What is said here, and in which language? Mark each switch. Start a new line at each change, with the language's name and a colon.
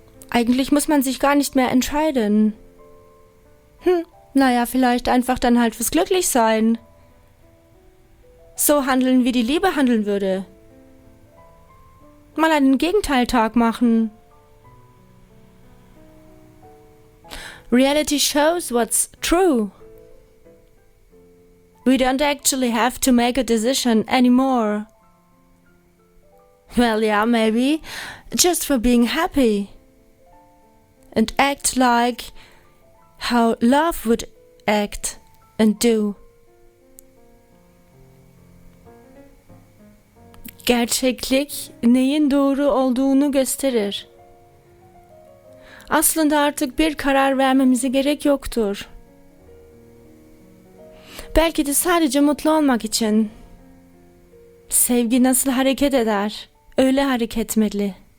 German: Eigentlich muss man sich gar nicht mehr entscheiden. Naja, vielleicht einfach dann halt fürs Glücklichsein. So handeln, wie die Liebe handeln würde. Mal einen Gegenteiltag machen.
English: Reality shows what's true. We don't actually have to make a decision anymore. Well, yeah, maybe. Just for being happy. And act like how love would act and do.
Turkish: Gerçeklik neyin doğru olduğunu gösterir. Aslında artık bir karar vermemize gerek yoktur. Belki de sadece mutlu olmak için. Sevgi nasıl hareket eder, öyle hareketmeli.